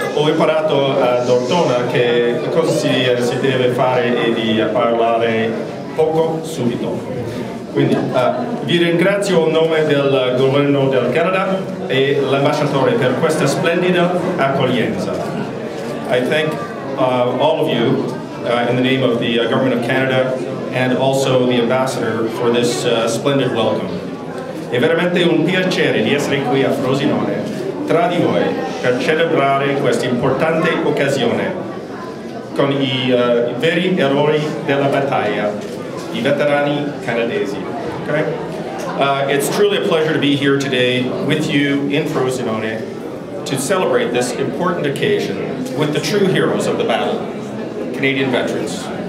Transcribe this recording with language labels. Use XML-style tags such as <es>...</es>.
<it>Ho imparato a Dortona che cosa si deve fare e di parlare poco subito. Quindi vi ringrazio a nome del governo del Canada e l'ambasciatore per questa splendida accoglienza.</it> <en>I thank all of you in the name of the government of Canada and also the ambassador for this splendid welcome.</en> <it>È veramente un piacere di essere qui a Frosinone tra di voi per celebrare questa importante occasione con i veri eroi della battaglia, i veterani canadesi.</it> <en>Okay? It's truly a pleasure to be here today with you in Frosinone to celebrate this important occasion with the true heroes of the battle, Canadian veterans.</en>